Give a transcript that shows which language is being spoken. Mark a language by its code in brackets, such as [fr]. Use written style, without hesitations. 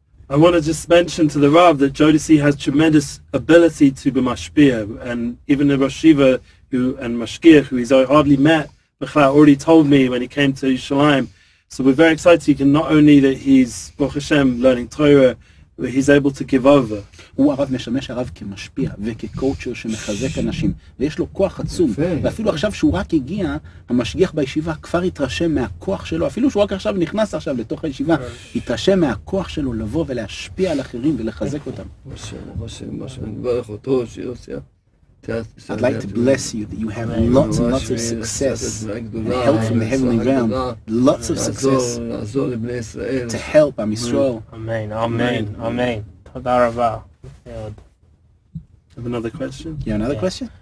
[en] I want to just mention to the Rav that Jodeci has tremendous ability to be mashpia, and even the Rosh Shiva and Mashkir, who he's hardly met, Bechla already told me when he came to Yerushalayim. So we're very excited. He can not only that he's Baruch Hashem learning Torah, but he's able to give over. [he] הוא הרב משמש הרב כמשפיע וכקואוצ'ר שמחזק אנשים, ויש לו כוח עצום. ואפילו עכשיו שהוא רק הגיע, המשגיח בישיבה כבר התרשם מהכוח שלו. אפילו שהוא רק עכשיו נכנס עכשיו לתוך הישיבה, התרשם מהכוח שלו לבוא ולהשפיע על אחרים ולחזק אותם. משה, משה, משה, אני מברך אותו, שיוסיה. [en] I'd like to bless you that you have lots and lots of success and help from the heavenly realm. Lots of success to help Am Yisrael. Amen. Amen. Amen. [he] Toda rabba. [en] Have another question? Yeah, another question?